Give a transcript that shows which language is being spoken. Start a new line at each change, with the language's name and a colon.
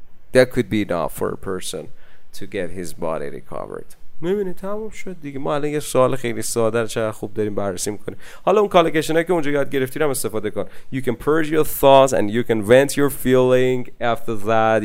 English: That could be enough for a person to get his body recovered.
Persian: میبینی تموم شد دیگه. ما الان یه سوال خیلی ساده چه خوب داریم بررسی میکنیم. حالا اون کالکشن هایی که اونجا یاد گرفتی رو هم استفاده کن.
English: You can purge your thoughts and you can vent your feeling after that.